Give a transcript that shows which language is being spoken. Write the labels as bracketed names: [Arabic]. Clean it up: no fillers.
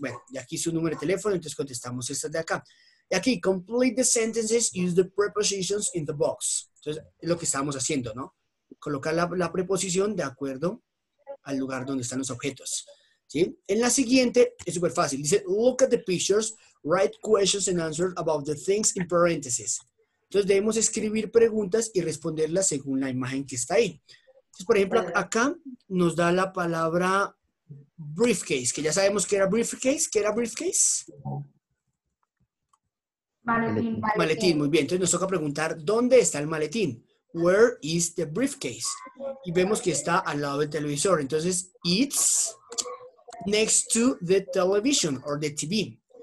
[Spanish] Bueno, y aquí su número de teléfono, entonces contestamos esta de acá. Y aquí, [English] complete the sentences, use the prepositions in the box. [Spanish] Entonces, es lo que estábamos haciendo, ¿no? Colocar la preposición de acuerdo al lugar donde están los objetos. ¿Sí? En la siguiente, es súper fácil. Dice, [English] look at the pictures, write questions and answers about the things in parentheses. [Spanish] Entonces, debemos escribir preguntas y responderlas según la imagen que está ahí. Entonces, por ejemplo, acá nos da la palabra briefcase, que ya sabemos que era briefcase. ¿Qué era briefcase? Maletín. Maletín, muy bien. Entonces nos toca preguntar, ¿dónde está el maletín? [English] Where is the briefcase? [Spanish] Y vemos que está al lado del televisor. [English] Entonces, it's next to the television or the TV.